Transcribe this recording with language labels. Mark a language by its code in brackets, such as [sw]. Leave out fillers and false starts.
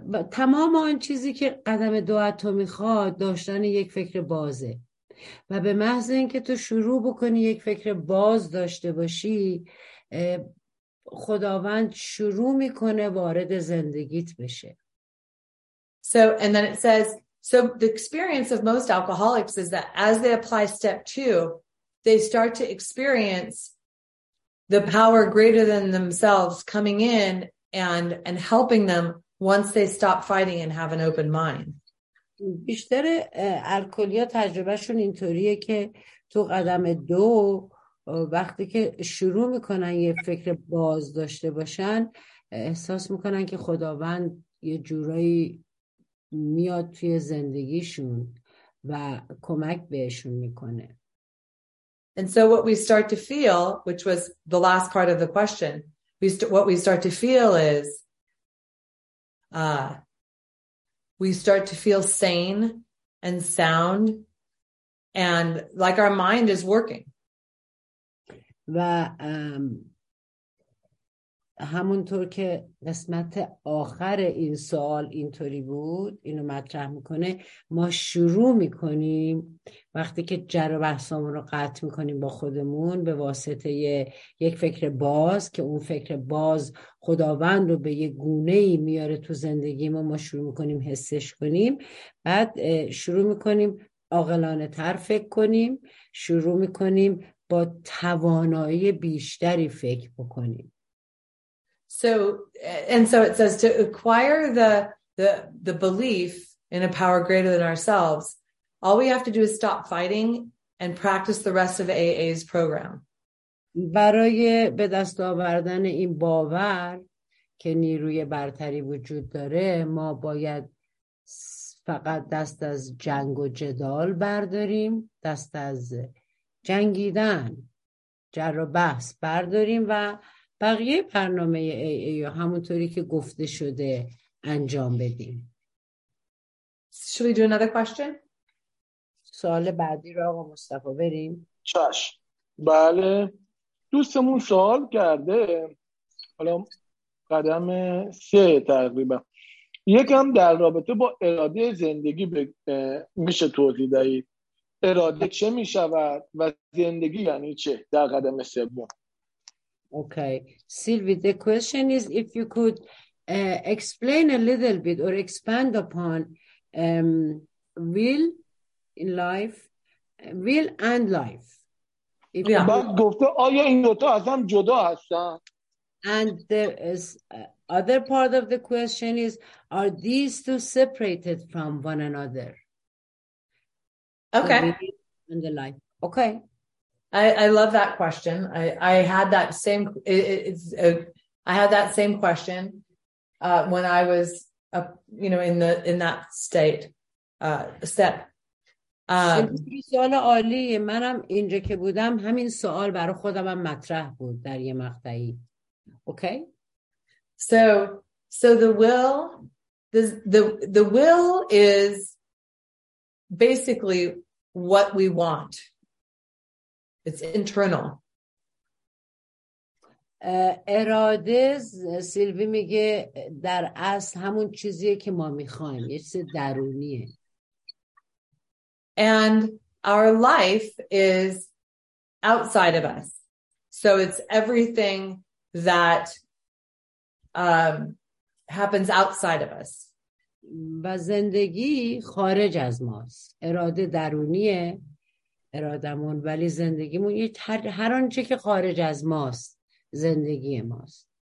[fa] تمام آن چیزی که قدم دو تو میخواد داشتن یک فکر بازه. و به محض اینکه تو شروع بکنی یک فکر باز داشته باشی، خداوند شروع میکنه وارد زندگیت بشه. [en] So and then it says, so the experience of most alcoholics is that as they apply step two, they start to experience the power greater than themselves coming in and helping them once they stop fighting and have an open mind. [fa] بیشتر الکلیا تجربهشون اینطوریه که تو قدم دو وقتی که شروع میکنن یه فکر باز داشته باشن احساس میکنن که خداوند یه جورایی میاد توی زندگیشون و کمک بهشون میکنه. [en] And so what we start to feel, which was the last part of the question, what we start to feel is we start to feel sane and sound and like our mind is working. [fa] و همونطور که قسمت آخر این سوال اینطوری بود اینو مطرح میکنه ما شروع میکنیم وقتی که جر و بحثامون رو قطع میکنیم با خودمون به واسطه یک فکر باز که اون فکر باز خداوند رو به یه گونهی میاره تو زندگی ما شروع میکنیم حسش کنیم بعد شروع میکنیم عقلانه تر فکر کنیم شروع میکنیم با توانایی بیشتری فکر بکنیم. [en] So it says to acquire the belief in a power greater than ourselves, all we have to do is stop fighting and practice the rest of AA's program. [fa] برای به دست آوردن این باور که نیروی برتری وجود داره ما باید فقط دست از جنگ و جدال برداریم دست از جنگیدن جر و بحث برداریم و بقیه برنامه AA رو همونطوری که گفته شده انجام بدیم. [en] Should we do another question? [fa] سوال بعدی رو آقا مصطفی بریم. چش. بله. دوستمون سوال کرده. حالا قدم سه تقریبا. یکم در رابطه با اراده زندگی میشه توضیح دهید. اراده چه می شود و زندگی یعنی چه در قدم سوم؟ [en] Okay, Sylvie, the question is if you could explain a little bit or expand upon will in life, will and life. If yeah. [fa] بعد گفته آیا این دوتا از هم جدا هستن؟ [en] And there is other part of the question is are these two separated from one another? Okay. In the life. Okay. I love that question. I had that same question when I was in that step. [fa] خیلی سوال عالیه. منم اینجا که بودم همین سوال برای خودم هم مطرح بود در یه مقطعی. اوکی. [en] So the will is basically what we want. It's internal. [fa] اراده سیلوی میگه در اصل همون چیزیه که ما میخوایم، یه چیز درونیه. [en] And our life is outside of us. So it's everything that happens outside of us. [fa] و زندگی خارج از ماست. اراده درونیه، ارادمون، ولی زندگیمون یه هر آنچه که خارج از ماست، زندگی ماست.